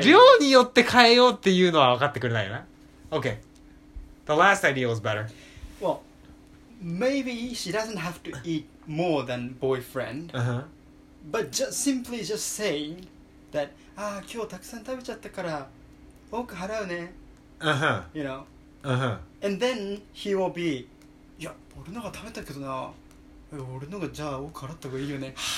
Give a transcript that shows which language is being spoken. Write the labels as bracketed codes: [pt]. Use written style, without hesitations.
[ja] 量によって変えようっていうのは分かってくれないよな。 [en] Okay, the last idea was better. Well, maybe she doesn't have to eat more than boyfriend, uh-huh. but just saying that. [ja] ああ、今日たくさん食べちゃったから多く払うね。 [en] Uh-huh. You know? Uh-huh. And then he will be, [ja] いや、俺のが食べたけどな。俺のがじゃあ多く払った方がいいよね。